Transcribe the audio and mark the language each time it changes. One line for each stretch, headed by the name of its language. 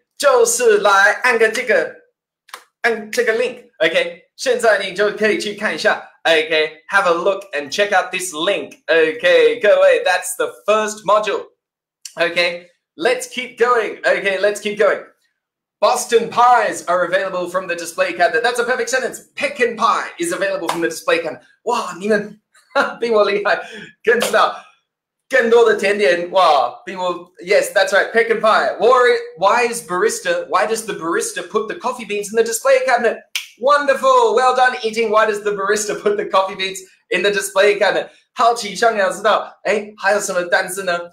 Chinese: 就是来按个这个，按这个
English: link， OK，
Chinese: 现在你就可以去看一下，
English: OK， have a look and check out this link， OK，
Chinese: 各位，
English: that's the first module， OK， let's keep going， OK， let's keep going。 Boston pies are available from the display cabinet. That's a perfect sentence. Pecan pie is available from the display cabinet.
Chinese: 哇，你们比我厉害，更知道更多的甜点。哇，比我
English: ，Yes, that's right. Pecan pie. Why does the barista put the coffee beans in the display cabinet? Wonderful. Well done eating. Why does the barista put the coffee beans in the display cabinet?
Chinese: 好奇想要知道，哎，还有什么单词呢？